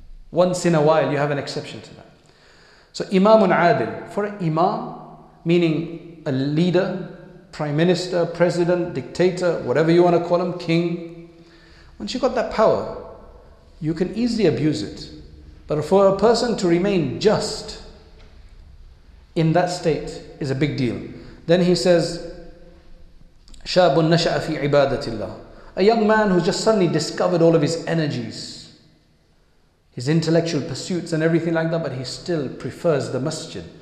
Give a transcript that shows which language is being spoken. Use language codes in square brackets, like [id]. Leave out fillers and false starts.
[en] Once in a while, you have an exception to that. So Imam Adil, for an Imam, meaning a leader, prime minister, president, dictator, whatever you want to call him, king. Once you've got that power, you can easily abuse it. But for a person to remain just in that state is a big deal. Then he says, [ar] شَابٌ نَشَأَ فِي عِبَادَةِ اللَّهِ. [en] A young man who's just suddenly discovered all of his energies, his intellectual pursuits and everything like that, but he still prefers the masjid.